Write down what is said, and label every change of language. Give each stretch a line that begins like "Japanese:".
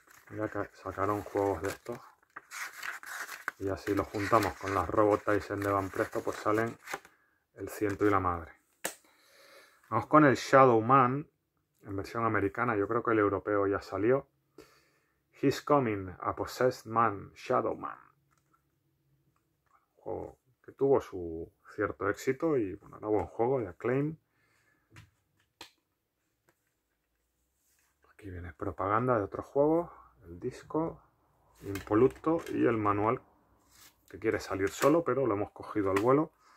Spanish: Mira que sacaron juegos de estos. Y así los juntamos con las Robot Tyson de Van Presto, pues salen el ciento y la madre. Vamos con el Shadow Man en versión americana. Yo creo que el europeo ya salió.
English: He's Coming, a Possessed Man, Shadow Man.
Spanish: Un juego que tuvo su cierto éxito y bueno, era buen juego de Acclaim. Aquí viene propaganda de otro juego. El disco impoluto y el manual que quiere salir solo, pero lo hemos cogido al vuelo.